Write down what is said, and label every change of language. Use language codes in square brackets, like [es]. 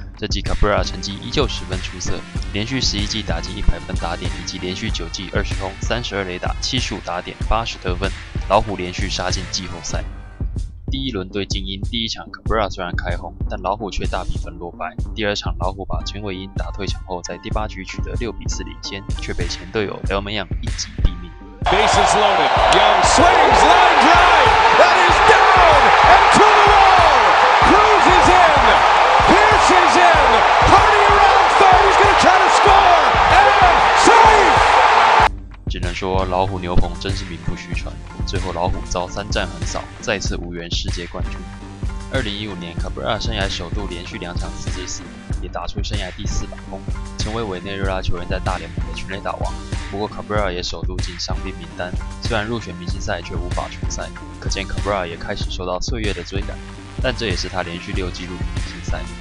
[zh] 这季 Cabrera 成绩依旧十分出色，连续11季打进100分打点，以及连续9季20轰、32垒打、75打点、80得分，老虎连续杀进季后赛。第一轮对精英，第一场 Cabrera 虽然开轰，但老虎却大比分落败。第二场老虎把陈伟英打退场后，在第八局取得6-4领先，却被前队友 Elman Yang 一击毙命。 [en] Bases loaded, Young swings, line drive, that is down and to the wall. Cruz is in, Pierce is in, party around third. He's going to try to score and save. [zh] 只能说老虎牛棚真是名不虚传，最后老虎遭三战横扫，再次无缘世界冠军。 2015年 Cabrera 生涯首度连续两场4-4，也打出生涯第400轰，成为委内瑞拉球员在大联盟的全垒打王。不过 Cabrera 也首度进伤病名单，虽然入选明星赛却无法出赛，可见 Cabrera 也开始受到岁月的追赶，但这也是他连续6季入选明星赛。